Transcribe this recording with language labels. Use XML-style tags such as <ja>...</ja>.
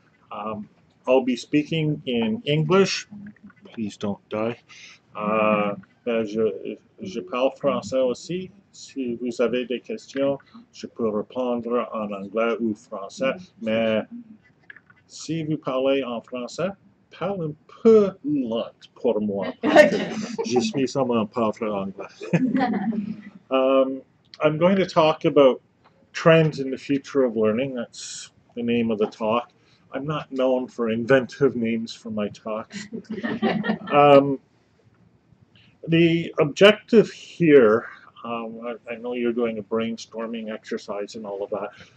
<en>I'll be speaking in English. Please don't die.</en> <fr>Ben, je parle français aussi. Si vous avez des questions, je peux répondre en anglais ou français. Mais si vous parlez en français, parle un peu lent pour moi. Je suis seulement parle anglais.</fr> <en>I'm going to talk about trends in the future of learning. That's the name of the talk. I'm not known for inventive names for my talks. The objective here, I know you're doing a brainstorming exercise and all of that.</en>